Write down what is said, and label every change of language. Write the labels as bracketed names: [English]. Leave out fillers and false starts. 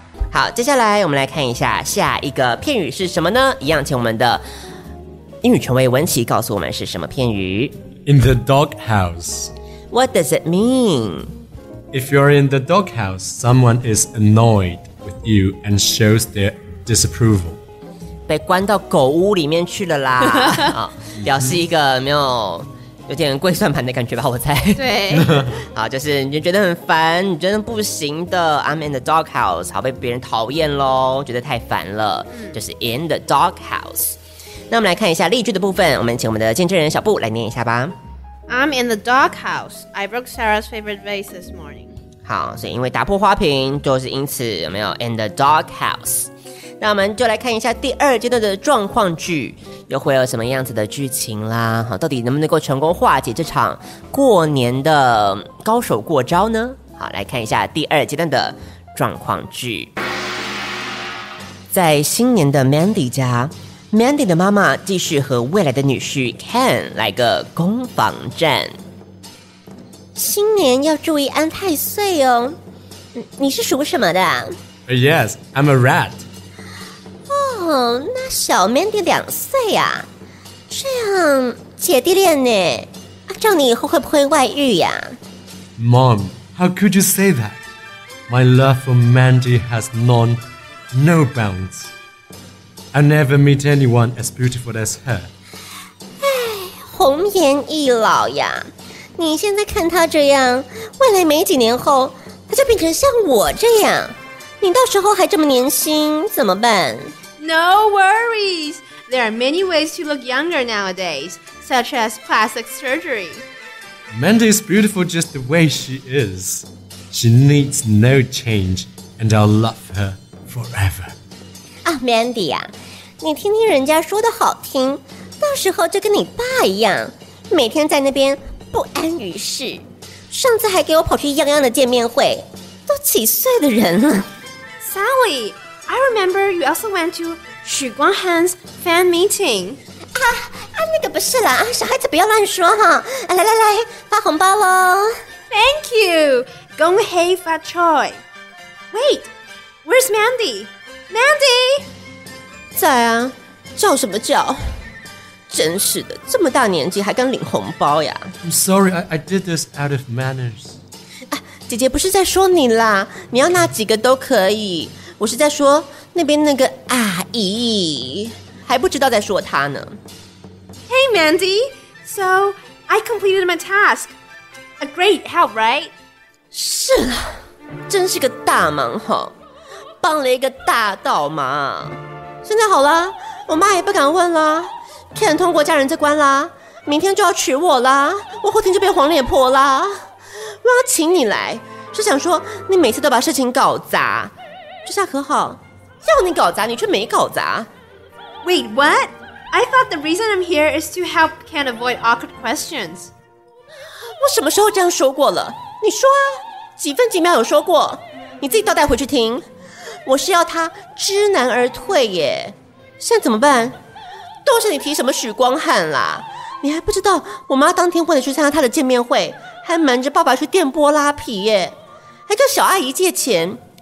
[Chinese] 好，接下来我们来看一下下一个片语是什么呢？一样，请我们的英语权威文琪告诉我们是什么片语。 [English] In the doghouse. What does it mean? If you're in the doghouse, someone is annoyed with you and shows their disapproval. [Chinese] 被关到狗屋里面去了啦，表示一个没有有点跪算盘的感觉吧，我猜。对，好，就是你觉得很烦，你觉得不行的。 [English] I'm in the doghouse， [Chinese] 好被别人讨厌咯，觉得太烦了，就是 in the doghouse。那我们来看一下例句的部分，我们请我们的见证人小布来念一下吧。 [English] I'm in the doghouse. I broke Sarah's favorite vase this morning. [Chinese] 好，所以因为打破花瓶，就是因此有没有 in the doghouse？那我们就来看一下第二阶段的状况句，又会有什么样子的剧情啦？好，到底能不能够成功化解这场过年的高手过招呢？好，来看一下第二阶段的状况句，在新年的 Mandy 家。 Mandy 的妈妈继续和未来的女婿 Ken 来个攻防战。新年要注意安太岁哦。你是属什么的？ [English] Yes, I'm a rat. [Chinese] 哦，那小 Mandy 两岁啊，这样姐弟恋呢？照你以后会不会外遇呀？ [English] Mom, how could you say that? My love for Mandy has known no bounds. I never meet anyone as beautiful as her. [Chinese] 红颜易老呀，你现在看她这样，未来没几年后，她就变成像我这样，你到时候还这么年轻，怎么办？ [English] No worries. There are many ways to look younger nowadays, such as plastic surgery. Mandy is beautiful just the way she is. She needs no change, and I'll love her forever. [Chinese] Mandy 啊，你听听人家说的好听，到时候就跟你爸一样，每天在那边不安于世。上次还给我跑去泱泱的见面会，都几岁的人了。 [English] Sally, I remember you also went to 许光汉's fan meeting. [Chinese] 那个不是啦，小孩子不要乱说哈。来来来，发红包喽。 [English] Thank you, [Chinese] 恭喜发财。 [English] Wait, where's Mandy? Mandy， [Chinese] 在啊，叫什么叫？真是的，这么大年纪还敢领红包呀 [English] ！I'm sorry, I did this out of manners、 [Chinese] 啊。姐姐不是在说你啦，你要那几个都可以。我是在说那边那个阿姨，还不知道在说她呢。 [English] Hey, Mandy, so I completed my task. A great help, right? [Chinese] 是啦，真是个大忙哈。帮了一个大倒忙，现在好了，我妈也不敢问了。 Ken 通过家人这关啦，明天就要娶我啦，我后天就变黄脸婆啦。我要请你来，是想说你每次都把事情搞砸，这下可好，要你搞砸你却没搞砸。 [English] Wait, what? I thought the reason I'm here is to help Ken avoid awkward questions. [Chinese] 我什么时候这样说过了？你说啊，几分几秒有说过？你自己倒带回去听。我是要他知难而退耶，现在怎么办？都是你提什么许光汉啦，你还不知道我妈当天为了去参加他的见面会，还瞒着爸爸去电波拉皮耶，还叫小阿姨借钱。